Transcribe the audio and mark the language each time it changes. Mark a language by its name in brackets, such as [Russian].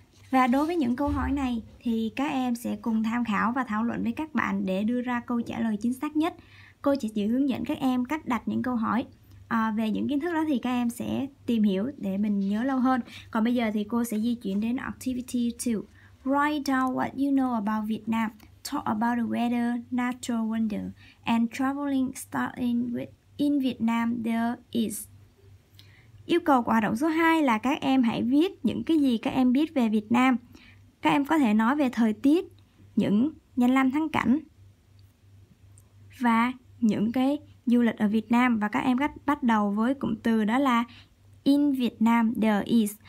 [Vietnamese] Và đối với những câu hỏi này thì các em sẽ cùng tham khảo và thảo luận với các bạn để đưa ra câu trả lời chính xác nhất. Cô chỉ hướng dẫn các em cách đặt những câu hỏi. Về những kiến thức đó thì các em sẽ tìm hiểu để mình nhớ lâu hơn. Còn bây giờ thì cô sẽ di chuyển đến activity 2. [English] Write down what you know about Vietnam. Talk about the weather, natural wonder, and traveling starting with in Vietnam there is. [Vietnamese] Yêu cầu của hoạt động số 2 là các em hãy viết những cái gì các em biết về Việt Nam. Các em có thể nói về thời tiết, những danh lam thắng cảnh và những cái du lịch ở Việt Nam. Và các em bắt đầu với cụm từ đó là [English] in Vietnam, there is.